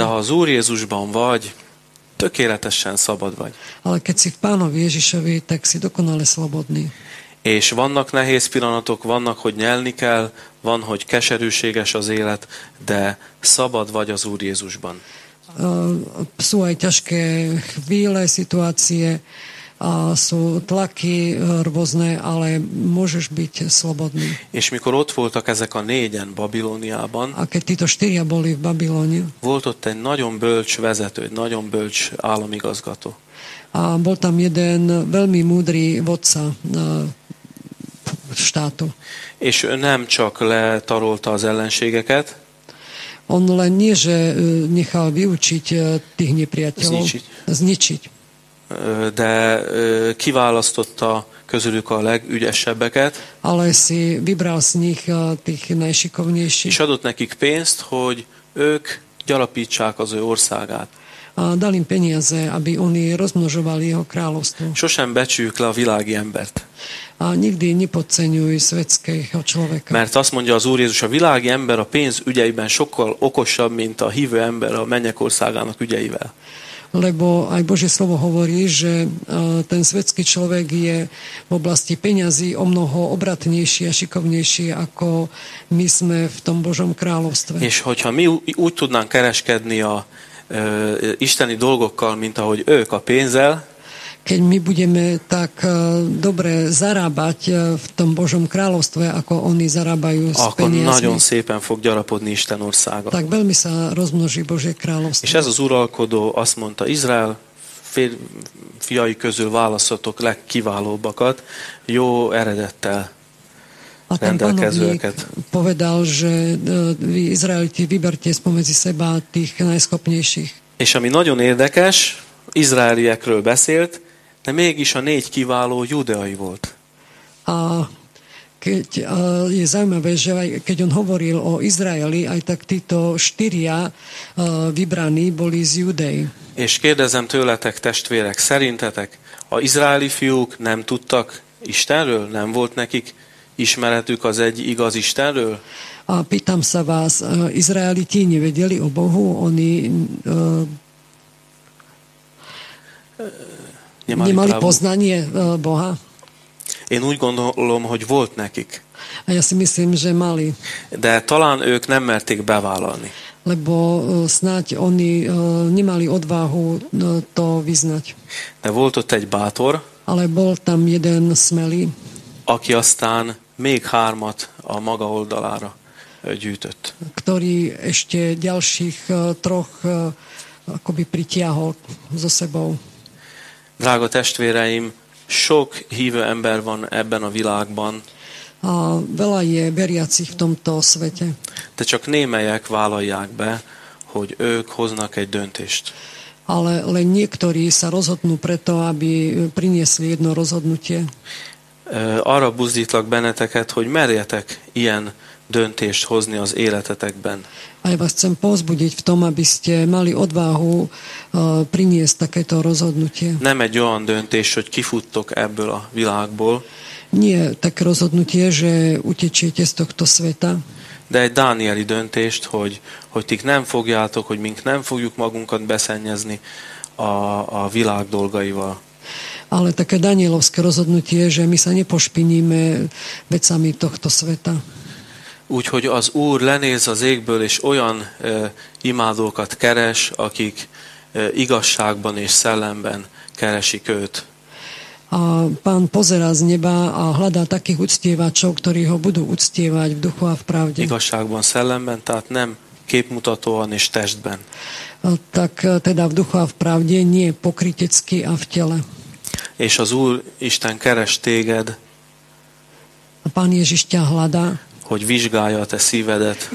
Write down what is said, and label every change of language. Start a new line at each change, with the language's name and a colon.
Hungarian: De ha az Úr Jézusban vagy, tökéletesen szabad vagy.
Slovak: Ale keď si v Pánovi Ježišovi, tak si dokonale slobodný.
Hungarian: És vannak nehéz pillanatok, vannak, hogy nyelni kell, van, hogy keserűséges az élet, de szabad vagy az Úr Jézusban.
Slovak: Sú aj ťažké chvíle, situácie, a sú tlaky rôzne, ale môžeš byť slobodný.
Hungarian: És mikor ott voltak ezek a négyen Babilóniában,
Slovak: a keď títo štyria boli v Babilónii,
Hungarian: volt ott egy nagyon bölcs vezető, egy nagyon bölcs államigazgató.
Slovak: A bol tam jeden veľmi múdry vodca štátu.
Hungarian: És ő nem csak letarolta az ellenségeket,
Slovak: on len nie, že nechal vyučiť tých nepriateľov. Zničiť.
Hungarian: De kiválasztotta közülük a legügyesebbeket.
Slovak: Ale si vybral z nich tých najšikovnejších.
Hungarian: És adott nekik pénzt, hogy ők gyarapítsák az ő országát.
Slovak: A dal im peniaze, aby oni rozmnožovali jeho kráľovstvo.
Hungarian: Sosem becsüljük le a világi embert.
Slovak: A nikdy nepodceňuj svetského človeka.
Hungarian: Mert azt mondja az Úr Jézus, a világi ember a pénz ügyeiben sokkal okosabb, mint a hívő ember a mennyekországának ügyeivel.
Slovak: Lebo aj Božie slovo hovorí, že ten svetský človek je v oblasti peňazí o mnoho obratnejší a šikovnejší, ako my sme v tom Božom kráľovstve.
Hungarian: És hogyha mi úgy tudnánk kereskedni a isteni dolgokkal, mint ahogy ők a pénzzel,
Slovak: keď my budeme tak dobre zarábať v tom Božom kráľovstve, ako oni zarábajú s peniazmi,
Hungarian: akkor nagyon szépen fog gyarapodni Isten országa.
Slovak: Tak veľmi sa rozmnoží Božie kráľovstvo.
Hungarian: És ez az uralkodó azt mondta, Izrael fiai közül választotok legkiválóbbakat, jó eredettel rendelkezőket.
Slovak: Povedal, že vy Izraeliti vyberte spomedzi seba tých najschopnejších.
Hungarian: És ami nagyon érdekes, izraeliekről beszélt, de mégis a négy kiváló judeai volt.
Slovak: A keď je zaujímavé, že aj keď on hovoril o Izraeli, aj tak títo štyria vybraní boli z Judei.
Hungarian: És kérdezem tőletek, testvérek, szerintetek a izraeli fiúk nem tudtak Istenről? Nem volt nekik ismeretük az egy igaz Istenről?
Slovak: A pýtam sa vás, izraeliti nevedeli o Bohu? Oni nemali poznanie Boha?
Hungarian: Én úgy gondolom, hogy volt nekik.
Slovak: A ja si myslím, že mali.
Hungarian: De talán ők nem merték bevállalni.
Slovak: Lebo snáď oni nemali odvahu to vyznať.
Hungarian: De volt ott egy bátor,
Slovak: ale bol tam jeden smelý,
Hungarian: aki aztán még hármat a maga oldalára gyűjtött.
Slovak: Ktorý ešte ďalších troch akoby pritiahol so sebou.
Hungarian: Drága testvéreim, sok hívő ember van ebben a világban.
Slovak: A veľa je veriacich v tomto svete.
Hungarian: De csak némelyek vállalják be, hogy ők hoznak egy döntést.
Slovak: Ale len niektorí sa rozhodnú preto, aby priniesli jedno rozhodnutie.
Hungarian: Arra buzdítlak benneteket, hogy merjetek ilyen döntést hozni az életetekben.
Slovak: A ja vás chcem pozbudiť v tom, aby ste mali odvahu priniesť takéto rozhodnutie.
Hungarian: Nem egy olyan döntés, hogy kifuttok ebből a világból.
Slovak: Nie také rozhodnutie, že utečiete z tohto sveta.
Hungarian: De egy dánieli döntést, hogy tík nem fogjátok, hogy mink nem fogjuk magunkat beszennyezni a világ dolgaival.
Slovak: Ale také danielovské rozhodnutie, že my sa nepošpiníme vecami tohto sveta.
Hungarian: Úgyhogy az Úr lenéz az égből, és olyan imádókat keres, akik igazságban és szellemben keresik őt.
Slovak: A pán pozerá z neba a hľadá takých uctievačov, ktorí ho budú uctievať v duchu a v pravde.
Hungarian: Igazságban, szellemben, tehát nem képmutatóan és testben.
Slovak: Tak teda v duchu a v pravde, nie pokrytecky a v tele.
Hungarian: És az Úr Isten keres téged.
Slovak: A pán Ježiš ťa hľadá,
Hungarian: hogy vizsgálja a te szívedet,